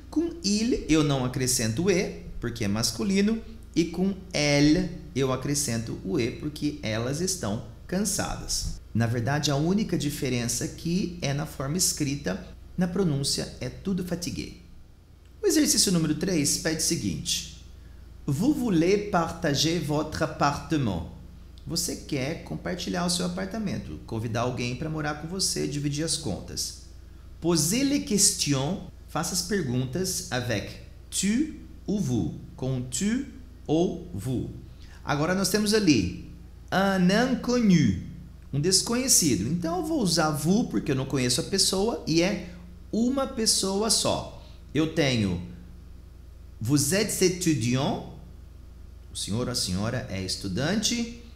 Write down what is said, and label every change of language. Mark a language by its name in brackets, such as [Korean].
[Portuguese] Com il, eu não acrescento o E, porque é masculino. E com elle, eu acrescento o E, porque elas estão cansadas. Na verdade, a única diferença aqui é na forma escrita. Na pronúncia, é tudo fatigué. O exercício número 3 pede o seguinte. [French] Vous voulez partager votre appartement? [Portuguese] Você quer compartilhar o seu apartamento, convidar alguém para morar com você, dividir as contas. [French] Posez les questions, [Portuguese] faça as perguntas [French] avec tu ou vous, [Portuguese] com tu ou vous. Agora nós temos ali un inconnu, um desconhecido. Então eu vou usar vous porque eu não conheço a pessoa e é uma pessoa só. Eu tenho [French] vous êtes étudiant, [Portuguese] o senhor ou a senhora é estudante.